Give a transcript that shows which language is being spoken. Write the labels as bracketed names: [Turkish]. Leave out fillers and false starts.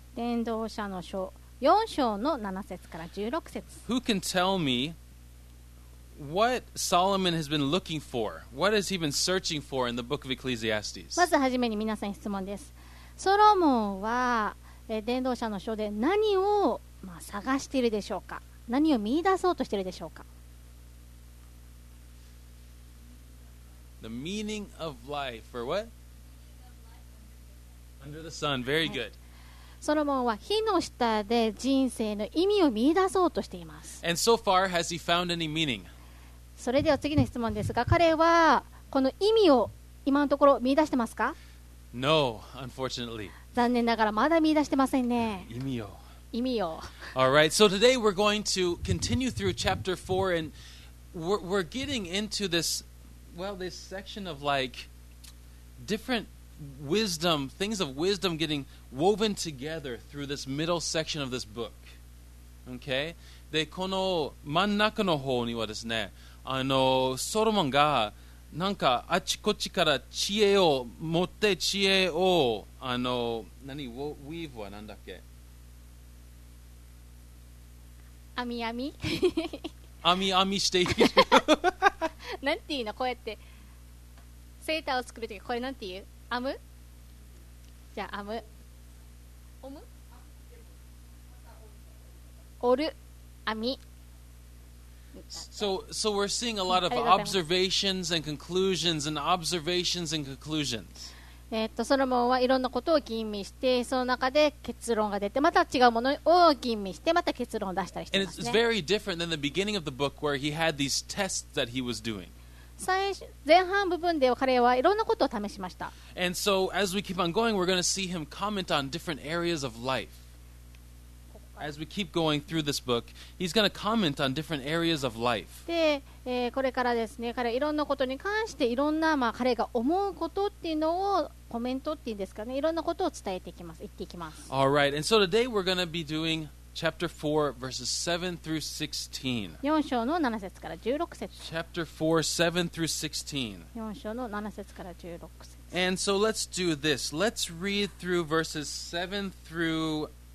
[Japanese] 伝道者の書4章の7節から16節。 [English] Who can tell me what Solomon has been looking for? What has he been searching for in the book of Ecclesiastes? [Japanese] まずはじめに皆さん質問です。ソロモンは伝道者の書で何を探しているでしょうか。何を見出そうとしているでしょうか。 [English] The meaning of life, or what? Under the sun. Very good. [Japanese] ソロモンは火の下で人生の意味を見出そうとしています。 [English] And so far, has he found any meaning? [Japanese] それでは次の質問ですが、彼はこの意味を今のところ見出してますか。 [English] No, unfortunately. [Japanese] 残念ながらまだ見出してませんね。意味を。意味を。 [English] All right. So today we're going to continue through chapter 4 and we're getting into this, well, this section of like different wisdom, things of wisdom getting woven together through this middle section of this book. Okay? [Japanese] で、この真ん中の方にはですね、あの、ソロモンがなんかあちこちから知恵を持って知恵を、あの、何、ウィーブはなんだっけ? あみあみあみあみしている。なんていうの、こうやってセーターを作るとき、これなんていう、アム、じゃあアム、オム、オル、アミ。 [English] So we're seeing a lot of observations and conclusions and observations and conclusions. [Japanese] ソロモンはいろんなことを吟味して、その中で結論が出て、また違うものを吟味して、また結論を出したりしてますね。 [English] And it's very different than the beginning of the book where he had these tests that he was doing. [Japanese] 前半部分では彼はいろんなことを試しました。 [English] And so as we keep on going, we're going to see him comment on different areas of life. As we keep going through this book, he's going to comment on different areas of life. [Japanese] で、これからですね、彼はいろんなことに関して、いろんな、まあ、彼が思うことっていうのをコメントっていうんですかね、いろんなことを伝えていきます、言っていきます。 [English] All right, and so today we're going to be doing chapter 4, verses 7 through 16. [Japanese] 4章の7節から16節。 [English] Chapter 4, 7 through 16. [Japanese] 4章の7節から16節。 [English] And so let's do this. Let's read through verses 7 through 16.